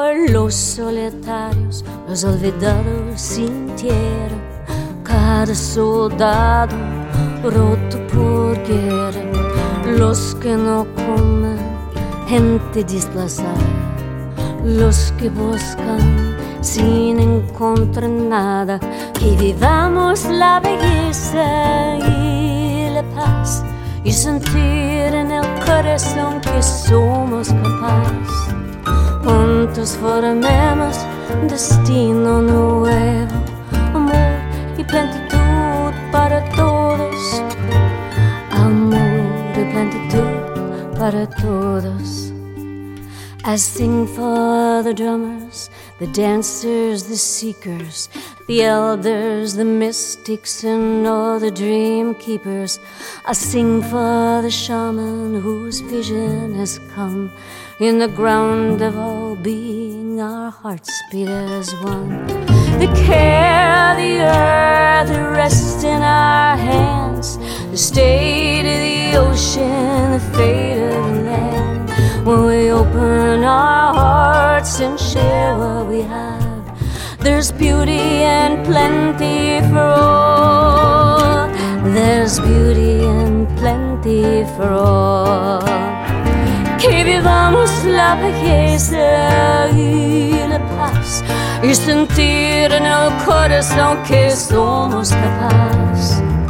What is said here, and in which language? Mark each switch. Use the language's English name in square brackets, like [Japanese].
[Spanish] Los solitarios, los olvidados sin tierra, cada soldado roto por guerra, los que no comen, gente desplazada, los que buscan sin encontrar nada, que vivamos la belleza y la paz, y sentir en el corazón que somos capaces. Juntos formemos un destino nuevo, amor y plenitud para todos, amor y plenitud para todos. [English] I sing for the drummers, the dancers, the seekers, the elders, the mystics and all the dream keepers. I sing for the shaman whose vision has come. In the ground of all being, our hearts beat as one. The care of the earth rests in our hands. The state of the ocean, the fate of the land. When we open our hearts and share what we have, there's beauty and plenty for all. There's beauty and plenty for all. [Spanish] Que vivamos la belleza y la paz, y sentir en el corazón que somos capaces.